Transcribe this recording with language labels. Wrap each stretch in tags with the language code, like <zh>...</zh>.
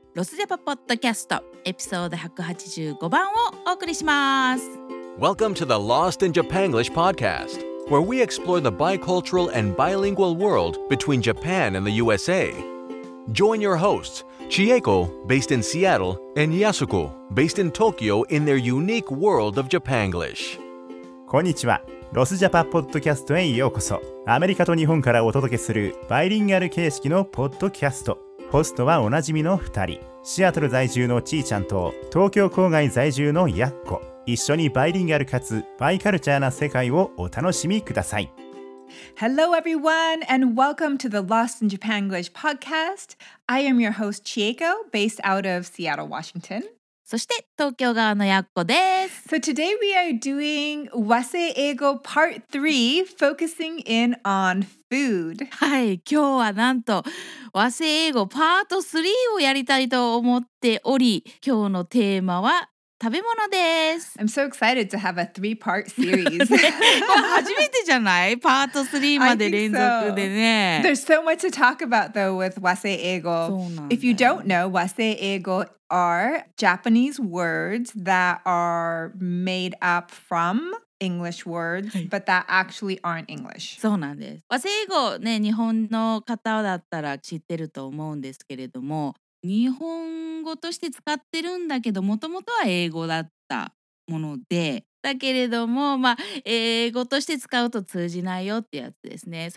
<ja>ロスジャパポッドキャスト、エピソード185番をお送りします。</ja> <en>Welcome to the Lost in Japan English podcast, where we explore the bicultural and bilingual world between Japan and the USA. Join your hosts, Chieko, based in Seattle, and Yasuko, based in Tokyo, in their unique world of Japanglish.</en> <ja>こんにちは。ロスジャパポッドキャストへようこそ。アメリカと日本からお届けするバイリンガル形式のポッドキャスト。ホストはおなじみの2人、シアトル在住のちーちゃんと東京郊外在住のやっこ。一緒にバイリンガルかつバイカルチャーな世界をお楽しみください。</ja> <en>Hello everyone and welcome to the Lost in Japan English podcast. I am your host Chieko, based out of Seattle, Washington.</en> <ja>そして東京側のやっこです。</ja> <en>So today we are doing 和製英語 part 3, focusing in on food.</en> <ja>はい、今日はなんと和製英語 part 3をやりたいと思っており、今日のテーマは食べ物です。</ja> <en>I'm so excited to have a three-part series.</en> <ja>初めてじゃない？パート3まで連続でね。</ja> <en>So. There's so much to talk about though with 和製英語。 If you don't know, 和製英語 are Japanese words that are made up from English words, but that actually aren't English.</en> <ja>そうなんです。和製英語ね、日本の方だったら知ってると思うんですけれども、日本語として使ってるんだけど、もともとは英語だったもので、だけれども、まあ、英語として使うと通じないよってやつですね。</ja>